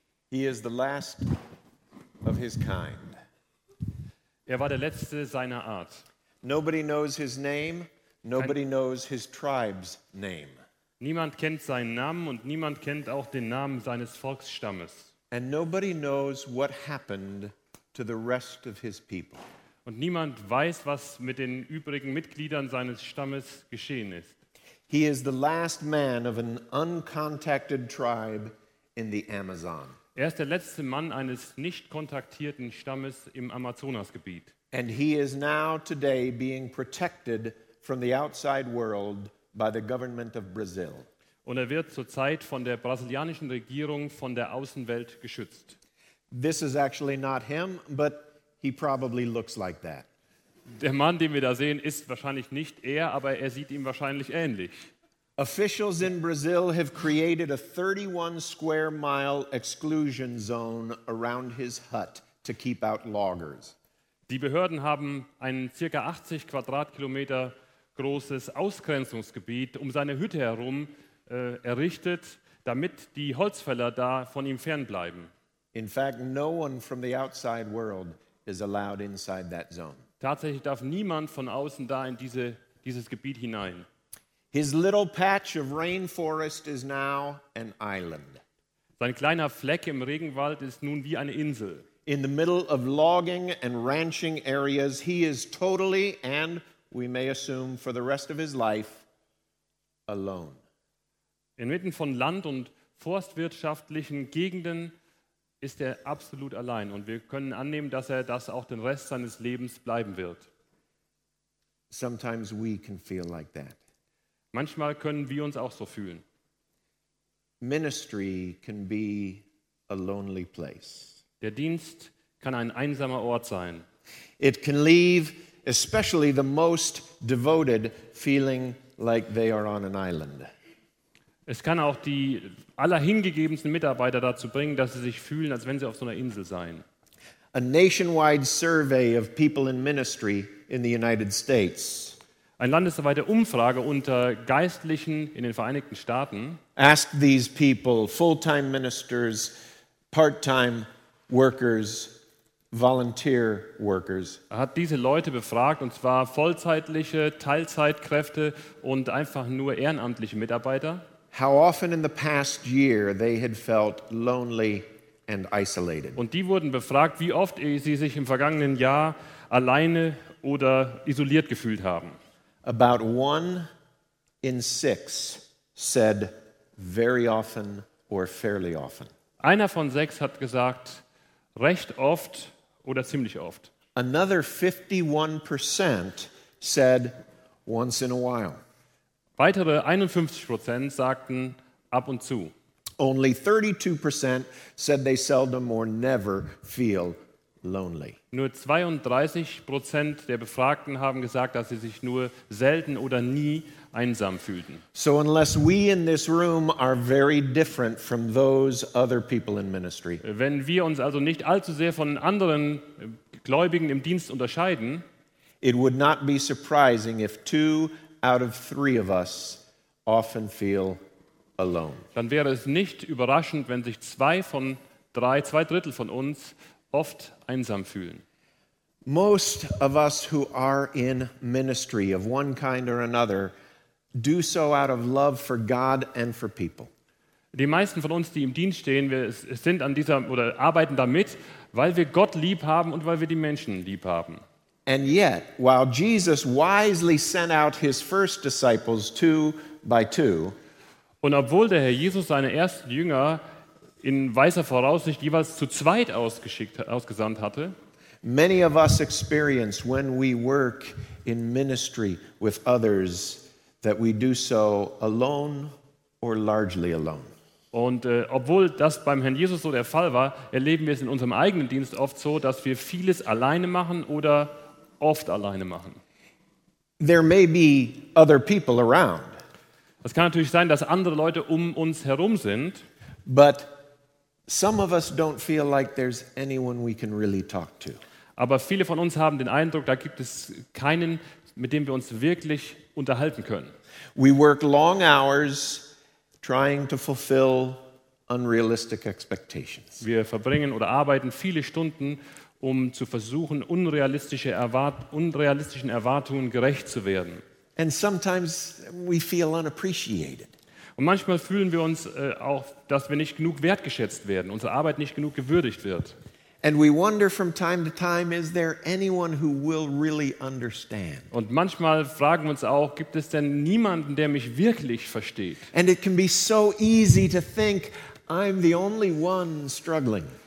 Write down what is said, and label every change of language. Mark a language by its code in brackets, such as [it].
[en] He is the last of his kind. [de] Er war der letzte seiner Art. [en] Nobody knows his name. Nobody knows his tribe's name. [de] Niemand kennt seinen Namen und niemand kennt auch den Namen seines Volksstammes. [en] And nobody knows what happened to the rest of his people. [de] Und niemand weiß, was mit den übrigen Mitgliedern seines Stammes geschehen ist. [en] He is the last man of an uncontacted tribe in the Amazon. [de] Er ist der letzte Mann eines nicht kontaktierten Stammes im Amazonasgebiet. [en] And he is now today being protected from the outside world by the government of Brazil. [de] Und wird zurzeit von der brasilianischen Regierung von der Außenwelt geschützt. [en] This is actually not him, but he probably looks like that. [de] Der Mann, den wir da sehen, ist wahrscheinlich nicht er, aber er sieht ihm wahrscheinlich ähnlich. [en] Officials in Brazil have created a 31 square mile exclusion zone around his hut to keep out loggers. [de] Die Behörden haben einen ca. 80 Quadratkilometer großes Ausgrenzungsgebiet um seine Hütte herum errichtet, damit die Holzfäller da von ihm fernbleiben. [en] In fact, no one from the outside world is allowed inside that zone. [de] Tatsächlich darf niemand von außen da in dieses Gebiet hinein. [en] His little patch of rainforest is now an island. [de] Sein kleiner Fleck im Regenwald ist nun wie eine Insel. [en] In the middle of logging and ranching areas, he is totally and we may assume for the rest of his life alone. [de] Inmitten von Land- und forstwirtschaftlichen Gegenden ist er absolut allein und wir können annehmen, dass er das auch den Rest seines Lebens bleiben wird. [en] Sometimes we can feel like that. [de] Manchmal können wir uns auch so fühlen. [en] Ministry can be a lonely place. [de] Der Dienst kann ein einsamer Ort sein. [en] It can leave especially the most devoted feeling like they are on an island. [de] Es kann auch die allerhingegebensten Mitarbeiter dazu bringen, dass sie sich fühlen, als wenn sie auf so einer Insel seien. [en] A nationwide survey of people in ministry in the United States. [de] Eine landesweite Umfrage unter Geistlichen in den Vereinigten Staaten. [en] Ask these people, full-time ministers, part-time workers, volunteer workers. [de] Hat diese Leute befragt, und zwar vollzeitliche, Teilzeitkräfte und einfach nur ehrenamtliche Mitarbeiter. [en] How often in the past year they had felt lonely and isolated. [de] Und die wurden befragt, wie oft sie sich im vergangenen Jahr alleine oder isoliert gefühlt haben. [en] About 1 in 6 said very often or fairly often. [de] Einer von sechs hat gesagt, recht oft oder ziemlich oft. [en] Another 51% said once in a while. [de] Weitere 51% sagten ab und zu. [en] Only 32% said they seldom or never feel lonely. [de] Nur 32% der Befragten haben gesagt, dass sie sich nur selten oder nie einsam fühlten. [en] So unless we in this room are very different from those other people in ministry. [de] Wenn wir uns also nicht allzu sehr von anderen Gläubigen im Dienst unterscheiden, [en] it would not be surprising if 2 out of 3 of us often feel alone. [de] Dann wäre es nicht überraschend, wenn sich 2 Drittel von uns oft einsam fühlen. [en] Most of us who are in ministry of one kind or another do so out of love for God and for people. [de] Die meisten von uns, die im Dienst stehen, wir sind an dieser oder arbeiten damit, weil wir Gott lieb haben und weil wir die Menschen lieb haben. [en] And yet, while Jesus wisely sent out his first disciples 2 by 2, [de] und obwohl der Herr Jesus seine ersten Jünger in weiser Voraussicht jeweils zu zweit ausgesandt hatte, [en] many of us experience when we work in ministry with others that we do so alone or largely alone. [de] Und obwohl das beim Herrn Jesus so der Fall war, erleben wir es in unserem eigenen Dienst oft so, dass wir vieles alleine machen oder oft alleine machen. [en] There may be other people around. [de] Es kann natürlich sein, dass andere Leute um uns herum sind, [en] but some of us don't feel like there's anyone we can really talk to. [de] Aber viele von uns haben den Eindruck, da gibt es keinen, mit dem wir uns wirklich unterhalten können. [en] We work long hours trying to fulfill unrealistic expectations. [de] Wir verbringen oder arbeiten viele Stunden, um zu versuchen, unrealistischen Erwartungen gerecht zu werden. [en] And sometimes we feel unappreciated. [de] Und manchmal fühlen wir uns auch, dass wir nicht genug wertgeschätzt werden, unsere Arbeit nicht genug gewürdigt wird. [en] And we wonder from time to time, is there anyone who will really understand? [de] Und manchmal fragen wir uns auch, gibt es denn niemanden, der mich wirklich versteht? [en] And it can be so easy to think I'm the only one struggling.